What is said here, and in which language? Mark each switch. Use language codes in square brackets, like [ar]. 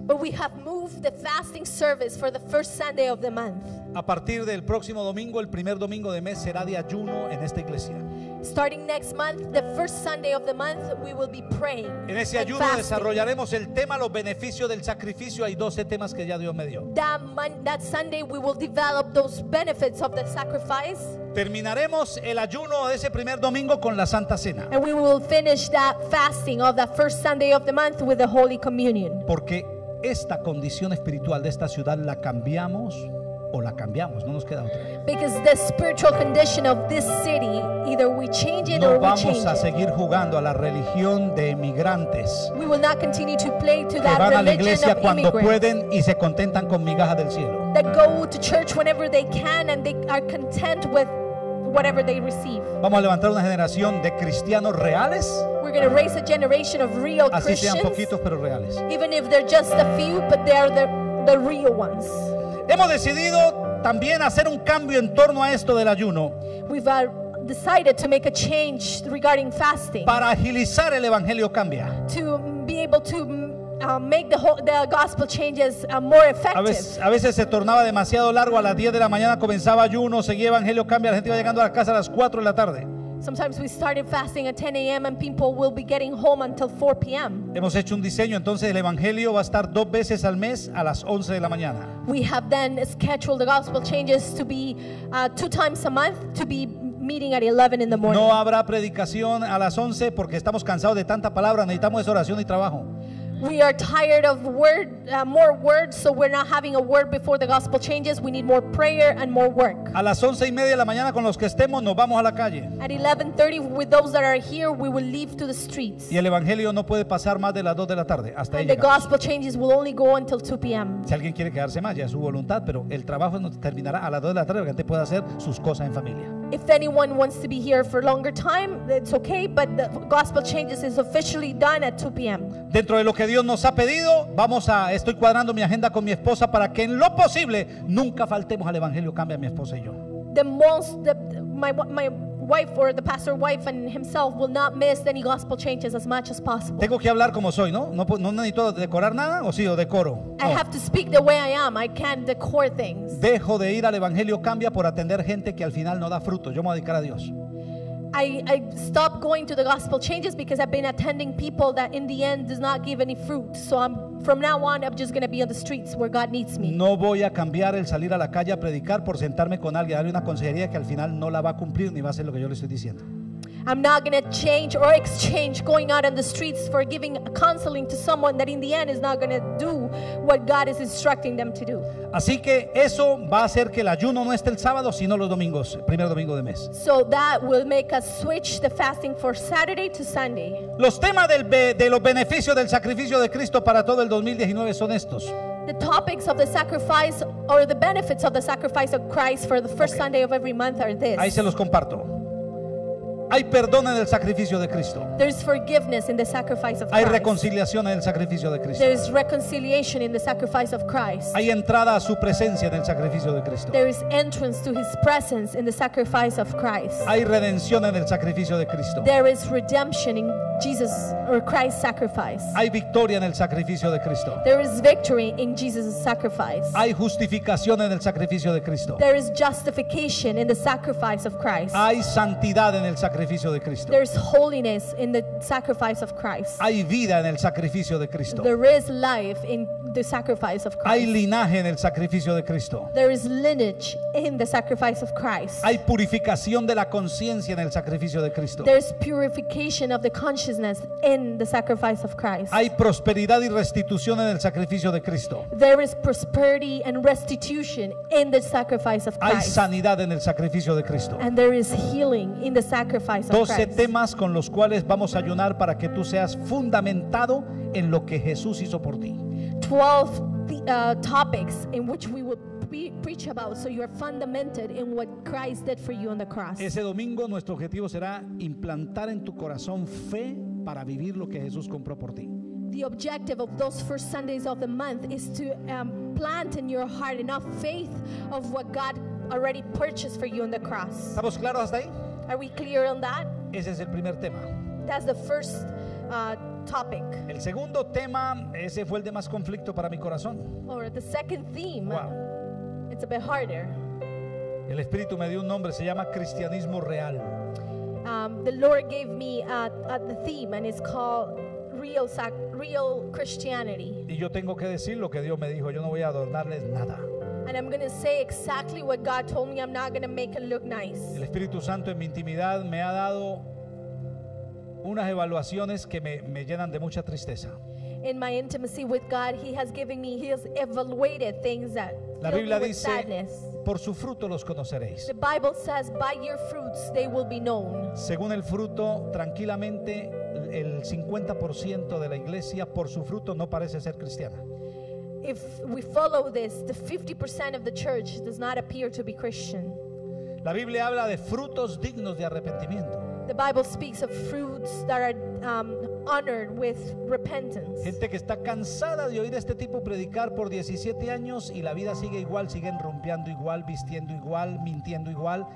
[en] But we have moved the fasting service for the first Sunday of the month. [es] A partir del próximo domingo, el primer domingo de mes será de ayuno en esta iglesia. [en] Starting next month, the first Sunday of the month, we will be praying. [es] En ese ayuno desarrollaremos el tema los beneficios del sacrificio. Hay 12 temas que ya Dios me dio. [en] That Sunday we will develop those benefits of the sacrifice. [es] Terminaremos el ayuno de ese primer domingo con la Santa Cena. [en] And we will finish that fasting of the first Sunday of the month with the Holy Communion. [es] Porque esta condición espiritual de esta ciudad la cambiamos. O la cambiamos, no nos queda otra. [en] Because the spiritual condition of this city, either we change it [es] no [en] or we change it. [es] No vamos a seguir jugando a la religión de emigrantes. [en] We will not continue to play to that [es] religion. Van a la iglesia cuando pueden y se contentan con migajas del cielo. [en] That go to church whenever they can and they are content with whatever they receive. [es] Vamos a levantar una generación de cristianos reales. [en] We're going to raise a generation of real [es] Así [en] Christians. [es] Así sean poquitos pero reales. [en] Even if they're just a few, but they are the real ones. [es] Hemos decidido también hacer un cambio en torno a esto del ayuno. [en] We've decided to make a change regarding fasting. [es] Para agilizar el evangelio cambia. [en] To be able to make the gospel changes more effective. [es] A veces se tornaba demasiado largo. A las 10 de la mañana comenzaba ayuno, seguía evangelio cambia, la gente iba llegando a la casa a las 4 de la tarde. [en] Sometimes we started fasting at 10 a.m. and people will be getting home until 4 p.m. [es] Hemos hecho un diseño, entonces el evangelio va a estar 2 veces al mes a las 11 de la mañana. [en] We have then scheduled the gospel changes to be 2 times a month to be meeting at 11 in the morning. [es] No habrá predicación a las 11 porque estamos cansados de tanta palabra, necesitamos oración y trabajo. [en] We are tired of more words, so we're not having a word before the gospel changes. We need more prayer and more work. [es] A las 11:30 de la mañana con los que estemos nos vamos a la calle. [en] At 11:30 with those that are here, we will leave to the streets. [es] Y el evangelio no puede pasar más de las 2 de la tarde hasta [en] ahí. And the gospel changes will only go until 2 p.m. [es] Si alguien quiere quedarse más, ya es su voluntad, pero el trabajo no terminará a las 2 de la tarde, porque usted puede hacer sus cosas en familia. [en] If anyone wants to be here for longer time, it's okay, but the gospel changes is officially done at 2 p.m. [es] Dentro de lo que Dios nos ha pedido, estoy cuadrando mi agenda con mi esposa para que en lo posible nunca faltemos al evangelio cambia mi esposa y yo. [en] The most, my wife or the pastor wife and himself will not miss any gospel changes as much as possible. [es] Tengo que hablar como soy, ¿no? No necesito decorar nada, o sí, o decoro. [en] I have to speak the way I am. I can't decor things. [es] Dejo de ir al evangelio cambia por atender gente que al final no da fruto. Yo me voy a dedicar a Dios. [en] I stop going to the gospel changes because I've been attending people that in the end does not give any fruit. So I'm from now on I'm just going to be on the streets where God needs me. [es] No voy a cambiar el salir a la calle a predicar por sentarme con alguien, darle una consejería que al final no la va a cumplir ni va a hacer lo que yo le estoy diciendo. [en] I'm not going to change or exchange going out on the streets for giving counseling to someone that in the end is not going to do what God is instructing them to do. [es] Así que eso va a hacer que el ayuno no esté el sábado, sino los domingos, el primer domingo de mes. [en] So that will make us switch the fasting for Saturday to Sunday. [es] Los temas de los beneficios del sacrificio de Cristo para todo el 2019 son estos. [en] The topics of the sacrifice or the benefits of the sacrifice of Christ for the first Sunday of every month are this. [es] Ahí se los comparto. Hay perdón en el sacrificio de Cristo. [en] There's forgiveness in the sacrifice of Christ. [es] Hay reconciliación en el sacrificio de Cristo. [en] There's reconciliation in the sacrifice of Christ. [es] Hay entrada a su presencia en el sacrificio de Cristo. [en] There is entrance to his presence in the sacrifice of Christ. [es] Hay redención en el sacrificio de Cristo. [en] There is redemption in Jesus or Christ's sacrifice. [es] Hay victoria en el sacrificio de Cristo. [en] There is victory in Jesus' sacrifice. [es] Hay justificación en el sacrificio de Cristo. [en] There is justification in the sacrifice of Christ. [es] Hay santidad en el sacrificio de Cristo. [en] There is holiness in the sacrifice of Christ. [es] Hay vida en el sacrificio de Cristo. [en] There is life in the sacrifice of Christ. [es] Hay linaje en el sacrificio de Cristo. [en] There is lineage in the sacrifice of Christ. [es] Hay purificación de la conciencia en el sacrificio de Cristo. [en] There is purification of the consciousness in the sacrifice of Christ. [es] Hay prosperidad y restitución en el sacrificio de Cristo. [en] There is prosperity and restitution in the sacrifice of Christ. [es] Hay sanidad en el sacrificio de Cristo. [en] And there is healing in the sacrifice of 12 Christ. [es] Temas con los cuales vamos a ayunar para que tú seas fundamentado en lo que Jesús hizo por ti. [en] 12 topics in which we will preach about so you are fundamented in what Christ did for you on the cross. [es] Ese domingo nuestro objetivo será implantar en tu corazón fe para vivir lo que Jesús compró por ti. [en] The objective of those first Sundays of the month is to plant in your heart enough faith of what God already purchased for you on the cross. [es] ¿Estamos claros hasta ahí? [en] Are we clear on that? [es] Ese es el primer tema. [en] That's the first topic. [es] El segundo tema, ese fue el de más conflicto para mi corazón. [en] Or the second theme. Wow. It's a bit harder. [es] El Espíritu me dio un nombre, se llama cristianismo real. [en] The Lord gave me the theme and it's called real Christianity. [es] Y yo tengo que decir lo que Dios me dijo, yo no voy a adornarles nada. [en] And I'm going to say exactly what God told me. I'm not going to make it look nice. [es] El Espíritu Santo en mi intimidad me ha dado unas evaluaciones que me llenan de mucha tristeza. [en] In my intimacy with God, he has evaluated things that [es] la Biblia [en] fill me with sadness. [es] Por su fruto los conoceréis. [en] The Bible says, by your fruits they will be known. [es] Según el fruto, tranquilamente, el 50% de la iglesia por su fruto no parece ser cristiana. [en] If we follow this, the 50% of the church does not appear to be Christian. [es] La Biblia habla de frutos dignos de arrepentimiento. [en] The Bible speaks of fruits that are honored with repentance. [es] Gente que está cansada de oír a este tipo predicar por 17 años y la vida sigue igual, siguen rompiendo igual, vistiendo igual, mintiendo igual.